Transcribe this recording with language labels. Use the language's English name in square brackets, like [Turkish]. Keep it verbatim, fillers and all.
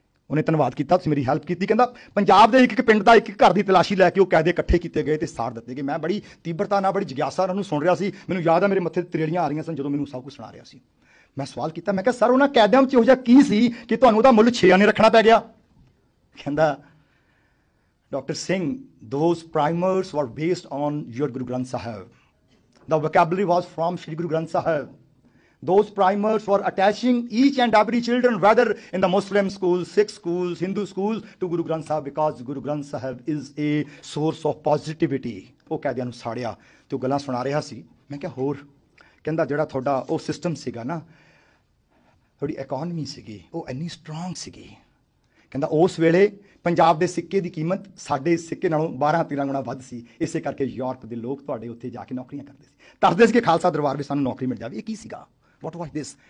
[Punjabi] ਉਹਨੇ ਧੰਨਵਾਦ ਕੀਤਾ, ਤੁਸੀਂ ਮੇਰੀ ਹੈਲਪ ਕੀਤੀ। ਕਹਿੰਦਾ ਪੰਜਾਬ ਦੇ ਇੱਕ ਇੱਕ ਪਿੰਡ ਦਾ ਇੱਕ ਇੱਕ ਘਰ ਦੀ ਤਲਾਸ਼ੀ ਲੈ ਕੇ ਉਹ ਕੈਦੇ ਇਕੱਠੇ ਕੀਤੇ ਗਏ ਤੇ ਸਾੜ ਦਿੱਤੇ ਗਏ। ਮੈਂ ਬੜੀ ਤੀਬਰਤਾ ਨਾਲ, ਬੜੀ ਜਗਿਆਸਾ ਨਾਲ ਉਹਨੂੰ ਸੁਣ ਰਿਹਾ ਸੀ, ਮੈਨੂੰ ਯਾਦ ਆ ਮੇਰੇ ਮੱਥੇ ਤੇ ਤਰੇੜੀਆਂ ਆ ਰਹੀਆਂ ਸਨ ਜਦੋਂ ਮੈਨੂੰ ਸਭ ਕੁਝ ਸੁਣਾ ਰਿਹਾ ਸੀ। ਮੈਂ ਸਵਾਲ ਕੀਤਾ, ਮੈਂ ਕਿਹਾ ਸਰ ਉਹਨਾਂ ਕੈਦਾਂ 'ਚ ਇਹੋ ਜਿਹਾ ਕੀ ਸੀ ਕਿ ਤੁਹਾਨੂੰ ਉਹਦਾ ਮੁੱਲ ਛੇ ਆਨੇ ਰੱਖਣਾ ਪੈ ਗਿਆ। ਕਹਿੰਦਾ doctor Singh, [English] those primers were based on your Guru Granth Sahib. The vocabulary was from Shri Guru Granth Sahib. those primers for attaching each and every children, whether in the Muslim schools, Sikh schools, Hindu schools, to Guru Granth Sahib, because Guru Granth Sahib is a source of positivity. [Punjabi] ਉਹ ਕਹਿ ਦਿਆਂ ਨੂੰ ਸਾੜਿਆ ਤੇ ਉਹ ਗੱਲਾਂ ਸੁਣਾ ਰਿਹਾ ਸੀ। ਮੈਂ ਕਿਹਾ ਹੋਰ, ਕਹਿੰਦਾ ਜਿਹੜਾ ਤੁਹਾਡਾ ਉਹ ਸਿਸਟਮ ਸੀਗਾ ਨਾ, ਤੁਹਾਡੀ ਇਕਨੋਮੀ ਸੀਗੀ, ਉਹ ਇੰਨੀ ਸਟਰੋਂਗ ਸੀਗੀ। ਕਹਿੰਦਾ ਉਸ ਵੇਲੇ ਪੰਜਾਬ ਦੇ ਸਿੱਕੇ ਦੀ ਕੀਮਤ ਸਾਡੇ ਸਿੱਕੇ ਨਾਲੋਂ ਬਾਰਾਂ ਤੇਰਾਂ ਗੁਣਾ ਵੱਧ ਸੀ। ਇਸੇ ਕਰਕੇ ਯੂਰਪ ਦੇ ਲੋਕ ਤੁਹਾਡੇ ਉੱਥੇ ਜਾ ਕੇ ਨੌਕਰੀਆਂ ਕਰਦੇ ਸੀ, ਦੱਸਦੇ ਸੀ ਕਿ ਖਾਲਸਾ ਦਰਬਾਰ ਵਿੱਚ ਸਾਨੂੰ ਨੌਕਰੀ ਮਿਲ ਜਾਵੇ। ਇਹ ਕੀ ਸੀਗਾ? [English] What was this?